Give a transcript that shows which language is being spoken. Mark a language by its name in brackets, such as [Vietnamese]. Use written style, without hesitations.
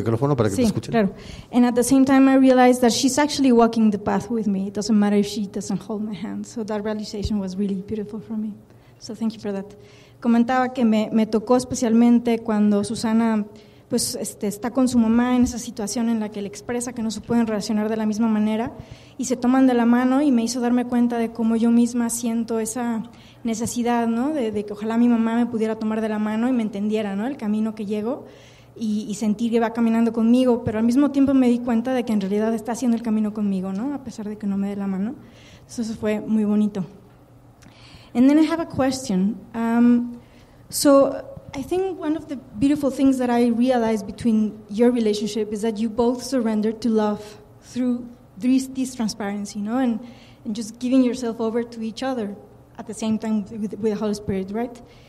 [English] And at the same time, I realized that she's actually walking the path with me. It doesn't matter if she doesn't hold my hand. So that realization was really beautiful for me. So thank you for that. [Spanish] Comentaba que me tocó especialmente cuando Susana pues está con su mamá en esa situación en la que le expresa que no se pueden relacionar de la misma manera y se toman de la mano y me hizo darme cuenta de cómo yo misma siento esa necesidad, ¿no? De que ojalá mi mamá me pudiera tomar de la mano y me entendiera, ¿no? El camino que llego y sentir que va caminando conmigo, pero al mismo tiempo me di cuenta de que en realidad está haciendo el camino conmigo, ¿no? A pesar de que no me dé la mano. Eso fue muy bonito. [English] And then I have a question. So I think one of the beautiful things that I realized between your relationship is that you both surrendered to love through this transparency, you know, and just giving yourself over to each other at the same time with the Holy Spirit, right?